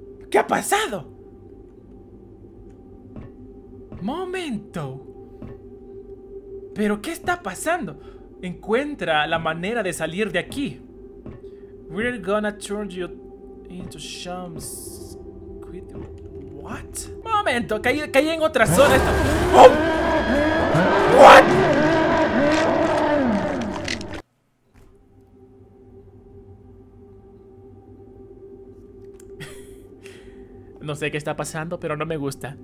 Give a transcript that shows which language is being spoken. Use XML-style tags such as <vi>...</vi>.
<es>¿Qué ha pasado? Momento. ¿Pero qué está pasando? Encuentra la manera de salir de aquí.</es> <en>We're gonna turn you into shams. What?</en> <es>Momento, caí en otra zona. Esto... Oh!</es> <en>What?</en> <es>No sé qué está pasando, pero no me gusta.</es>